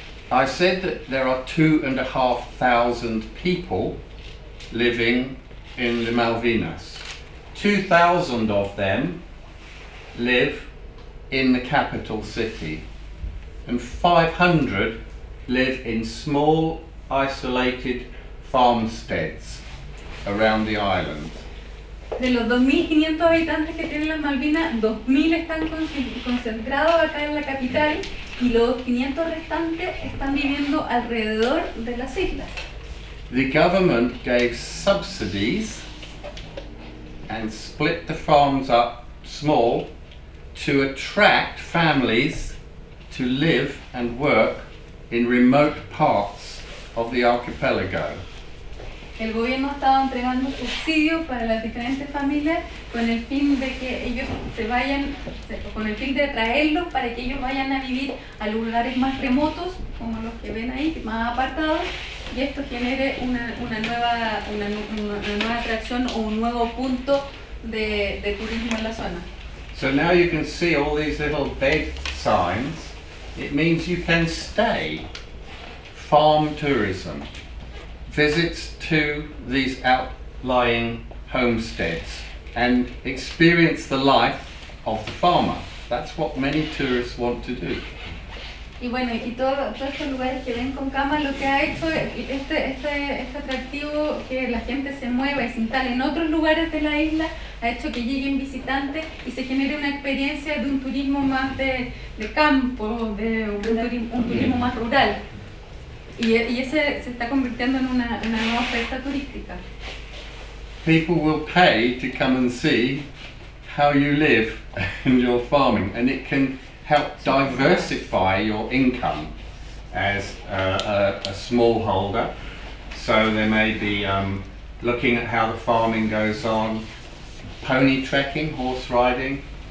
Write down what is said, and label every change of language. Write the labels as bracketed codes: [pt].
[en] I said that there are 2,500 people living in the Malvinas. 2,000 of them live in the capital city, and 500 live in small, isolated farmsteads around the island. [es] De los 2,500 habitantes que tienen las Malvinas, 2,000 están concentrados acá en la capital, y los 500 restantes están viviendo alrededor de las islas. [en] The government gave subsidies and split the farms up small to attract families to live and work in remote parts of the archipelago. [es] El gobierno estaba entregando subsidios para las diferentes familias con el fin de que ellos se vayan, con el fin de atraerlos para que ellos vayan a vivir a lugares más remotos, como los que ven ahí, más apartados, y esto genere una nueva atracción o un nuevo punto de turismo en la zona. [en] So now you can see all these little bed signs. It means you can stay. Farm tourism. Visits to these outlying homesteads and experience the life of the farmer. That's what many tourists want to do. [es] Y bueno, y todo estos lugares que ven con cama, lo que ha hecho este atractivo, que la gente se mueva y se instale en otros lugares de la isla, ha hecho que lleguen visitantes y se genere una experiencia de un turismo más de campo, de un turismo más rural. Y ese se está convirtiendo en una nueva oferta turística. [en] People will pay to come and see how you live and your farming, and it can help diversify your income as a smallholder. So they may be looking at how the farming goes on, pony trekking, horse riding,